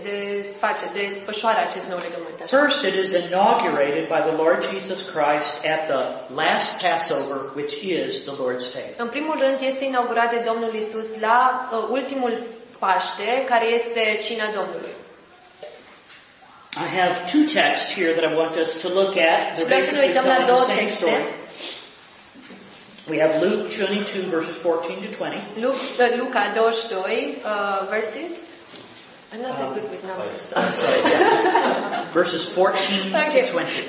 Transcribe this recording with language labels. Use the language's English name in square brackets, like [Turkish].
[Romanian] Desface, desfășoară acest nou legământ. Așa. [English] First, it is inaugurated by the Lord Jesus Christ at the last Passover, which is the Lord's Day. [Romanian] În primul rând, este inaugurat de Domnul Iisus la ultimul Paște, care este cina Domnului. [English] I have two texts here that I want us to look at. They're basically telling the same story. We have Luke 22, verses 14 to 20. Luca 22, verses? I'm not that good with numbers. I'm sorry. Verses 14 to 20.